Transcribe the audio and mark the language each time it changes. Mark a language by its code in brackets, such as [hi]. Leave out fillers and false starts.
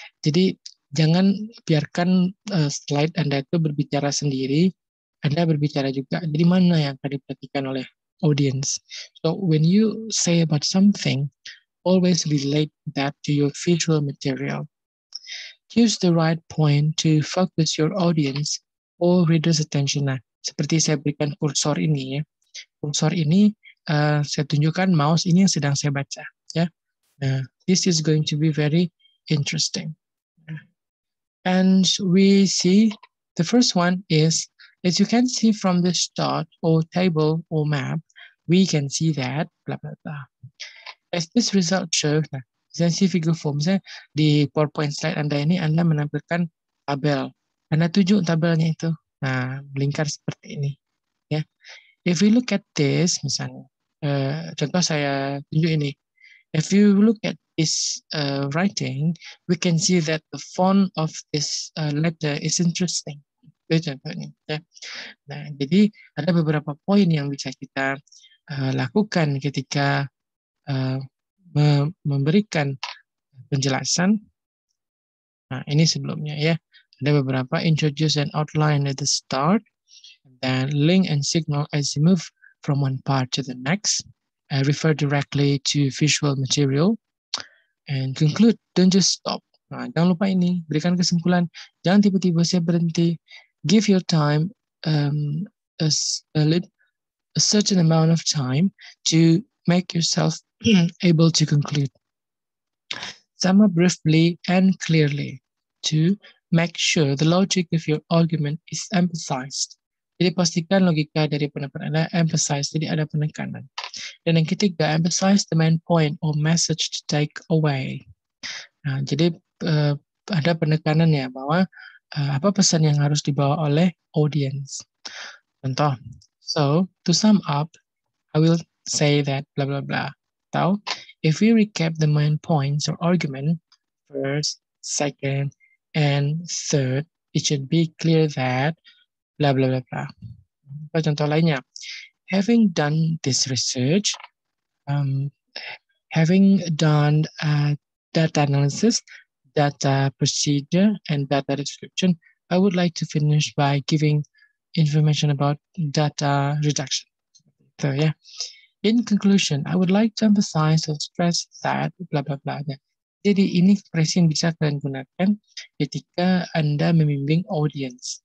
[id] Jadi, jangan biarkan slide Anda itu berbicara sendiri, Anda berbicara juga. Jadi, mana yang akan diperhatikan oleh audience? [en] So, when you say about something, always relate that to your visual material. Choose the right point to focus your audience or reader's attention. [id] Nah, seperti saya berikan kursor ini ya. Kursor ini saya tunjukkan mouse ini yang sedang saya baca ya. [en] This is going to be very interesting. And we see the first one is, as you can see from this chart or table or map, we can see that blah blah blah. As this result shows, [id] nah, misalnya figure 4, misalnya di PowerPoint slide Anda ini, Anda menampilkan tabel. Anda tuju tabelnya itu. Nah, lingkar seperti ini. Ya. [en] If you look at this, [id] misalnya, contoh saya tunjuk ini. [en] If you look at this writing, we can see that the font of this letter is interesting. [id] Itu contohnya. Ya. Nah, jadi, ada beberapa poin yang bisa kita lakukan ketika memberikan penjelasan. Nah, ini sebelumnya ya. Ada beberapa [en] introduce and outline at the start, then link and signal as you move from one part to the next. Refer directly to visual material and conclude. Don't just stop. [id] Nah, jangan lupa ini, berikan kesimpulan. Jangan tiba-tiba saya berhenti. [en] Give your time a certain amount of time to make yourself able to conclude. Sum up briefly and clearly to make sure the logic of your argument is emphasized. [id] Jadi pastikan logika dari pendapat Anda emphasized, jadi ada penekanan. Dan yang ketiga, [en] emphasize the main point or message to take away. [id] Nah, jadi ada penekanan ya bahwa apa pesan yang harus dibawa oleh audience. Contoh, [en] so to sum up, I will say that blah blah blah. Tau, if we recap the main points or argument, first, second, and third, it should be clear that blah blah blah blah. [id] Apa contoh lainnya? [en] Having done this research, having done data analysis, data procedure, and data description, I would like to finish by giving information about data reduction. So yeah. In conclusion, I would like to emphasize or stress that blah blah blah. [id] Jadi ini ekspresi yang bisa kalian gunakan ketika Anda membimbing audience.